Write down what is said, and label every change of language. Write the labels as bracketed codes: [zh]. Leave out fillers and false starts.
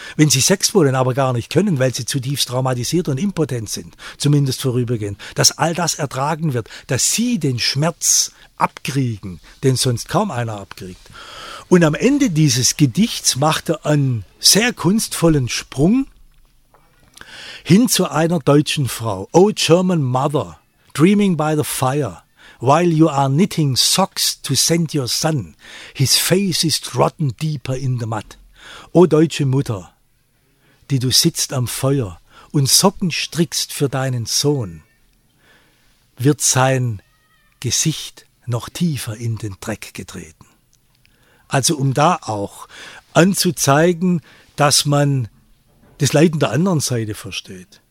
[de] Wenn sie Sex wollen, aber gar nicht können, weil sie zutiefst traumatisiert und impotent sind, zumindest vorübergehend. Dass all das ertragen wird, dass sie den Schmerz abkriegen, den sonst kaum einer abkriegt. Und am Ende dieses Gedichts macht er einen sehr kunstvollen Sprung hin zu einer deutschen Frau. [en] O German mother, dreaming by the fire, while you are knitting socks to send your son, his face is rotten deeper in the mud. [de] O deutsche Mutter, die du sitzt am Feuer und Socken strickst für deinen Sohn, wird sein Gesicht noch tiefer in den Dreck getreten. Also um da auch anzuzeigen, dass man das Leiden der anderen Seite versteht.